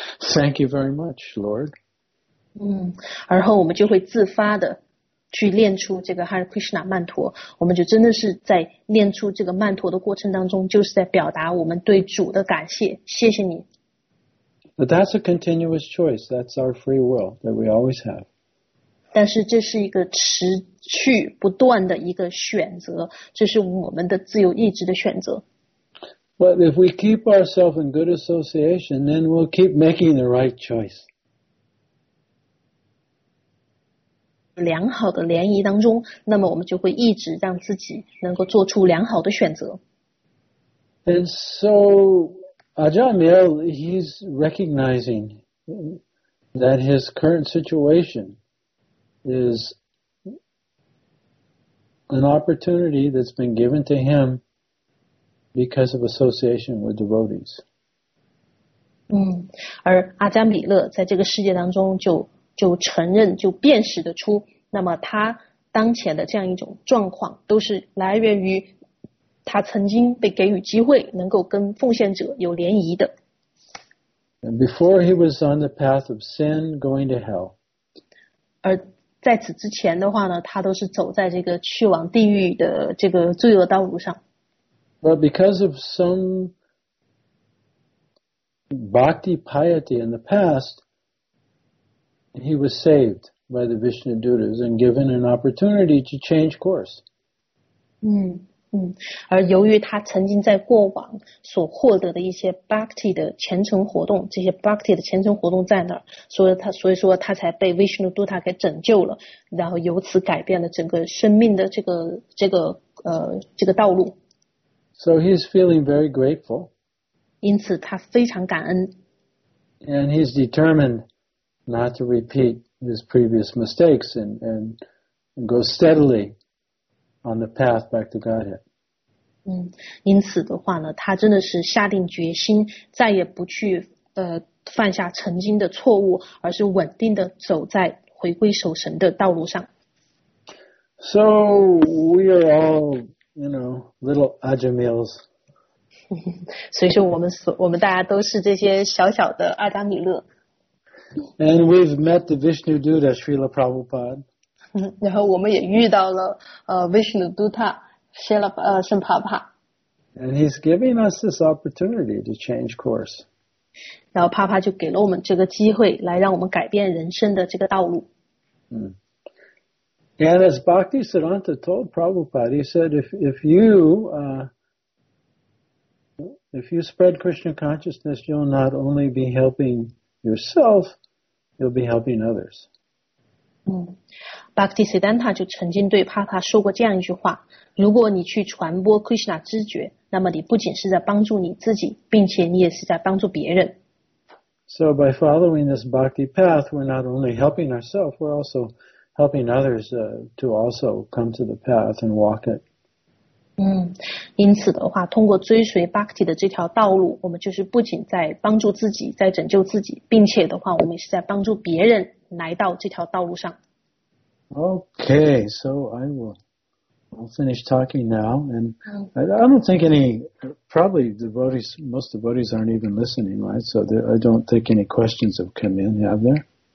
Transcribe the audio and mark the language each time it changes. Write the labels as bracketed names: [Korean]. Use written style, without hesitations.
[English] Thank you very much, Lord. [Chinese] 而后我们就会自发的去练出这个 Hare Krishna 曼陀，我们就真的是在练出这个曼陀的过程当中，就是在表达我们对主的感谢，谢谢你。 [English] But that's a continuous choice. That's our free will that we always have. [Chinese] 但是这是一个持续不断的一个选择，这是我们的自由意志的选择。 [English] But if we keep ourselves in good association, then we'll keep making the right choice. [Chinese] 良好的联谊当中，那么我们就会一直让自己能够做出良好的选择。 [English] And so, Ajahn Mill, he's recognizing that his current situation is an opportunity that's been given to him because of association with devotees. [Chinese] 而阿加米勒在这个世界当中就承认，就辨识得出，那么他当前的这样一种状况都是来源于他曾经被给予机会能够跟奉献者有联谊的。 [English] And before he was on the path of sin going to hell. [Chinese] 而在此之前的话呢，他都是走在这个去往地狱的这个罪恶道路上。 [English] But because of some bhakti piety in the past, he was saved. By the Vishnu Dutas and given an opportunity to change course. [Chinese] 而由于他曾经在过往所获得的一些 Bhakti 的虔诚活动，这些 Bhakti 的虔诚活动在那儿，所以说他才被 Vishnu Dutta 给拯救了，然后由此改变了整个生命的这个道路。 [English] So he's feeling very grateful. [Chinese] 因此他非常感恩。 [English] And he's determined not to repeat. His previous mistakes and go steadily on the path back to Godhead. [Chinese] 因此的话呢，他真的是下定决心，再也不去犯下曾经的错误，而是稳定的走在回归守神的道路上。 [English] So we are all, you know, little Ajamils. [Chinese] 所以说我们大家都是这些小小的阿扎米勒。 [English] And we've met the Vishnu Dutta, Srila Prabhupada. [Chinese] 然后我们也遇到了Vishnu Dutta, Srila Prabhupada. [English] And he's giving us this opportunity to change course. [Chinese] 然后帕帕就给了我们这个机会来让我们改变人生的这个道路。 [English] And as Bhakti Siddhanta told Prabhupada, he said, if you If you spread Krishna consciousness, you'll not only be helping yourself, you'll be helping others. [Chinese] Bhaktisiddhanta 就曾经对帕塔说过这样一句话，如果你去传播 Krishna 知觉，那么你不仅是在帮助你自己，并且你也是在帮助别人。 [English] So by following this bhakti path, we're not only helping ourselves, we're also helping others to also come to the path and walk it. [Chinese] 因此的话，通过追随 bhakti 的这条道路，我们就是不仅在帮助自己，在拯救自己，并且的话，我们也是在帮助别人来到这条道路上。 [English] Okay, so I'll finish talking now, and I don't think any, probably devotees, most devotees aren't even listening, right? So I don't think any questions have come in, have there?